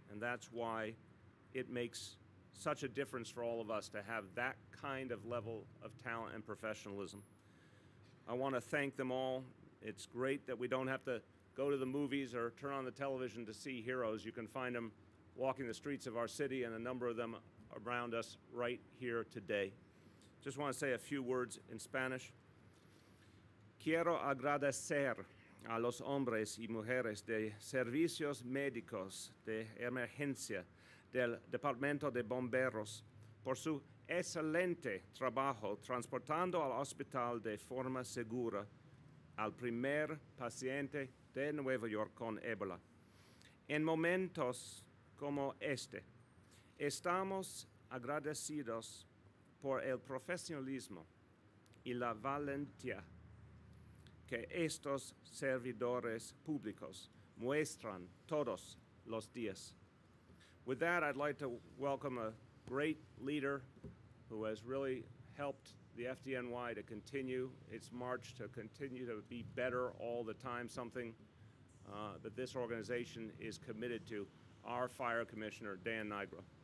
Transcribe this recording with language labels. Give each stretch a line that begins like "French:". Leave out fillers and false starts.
English: And that's why it makes such a difference for all of us to have that kind of level of talent and professionalism. I want to thank them all. It's great that we don't have to go to the movies or turn on the television to see heroes. You can find them walking the streets of our city, and a number of them around us right here today. Just want to say a few words in Spanish.
Spanish: Quiero agradecer a los hombres y mujeres de servicios médicos de emergencia del Departamento de Bomberos por su excelente trabajo transportando al hospital de forma segura al primer paciente de Nueva York con Ébola. En momentos como este, estamos agradecidos por el profesionalismo y la valentía que estos servidores públicos muestran todos los días.
English: With that, I'd like to welcome a great leader who has really helped the FDNY to continue its march, to continue to be better all the time, something that this organization is committed to, our fire commissioner, Dan Nigro.